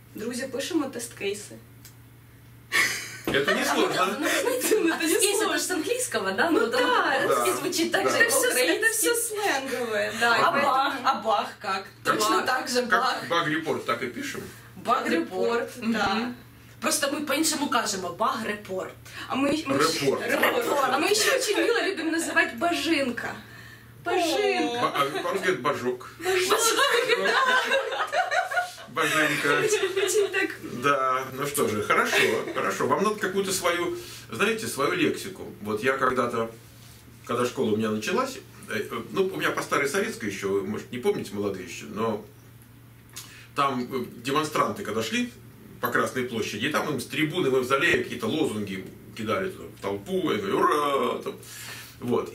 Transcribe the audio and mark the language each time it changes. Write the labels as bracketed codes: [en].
[ru] Друзья, пишем тест-кейсы. Это не сложно. Тест-кейсы, это же с английского, да? Ну да, русский звучит так же, это все сленговое. А бах как? Точно так же бах. Как баг-репорт, так и пишем? Баг-репорт, да. [uk] Просто мы по-іншому кажемо баг-репорт. Репорт. А ми ще дуже мило любимо називати бажинка. Бажинка. [ru] А по-русски говорить бажок. Бажок, да. Бажинка. Да, ну что же, хорошо. Вам надо какую-то свою, знаете, свою лексику. Вот я когда-то, когда школа у меня началась, ну, у меня по старой советской еще, вы, может, не помните, молодые еще, но там демонстранты, когда шли, по Красной площади, и там им с трибуны Мавзолея какие-то лозунги кидали туда, в толпу, и говорю, ура! Там. Вот.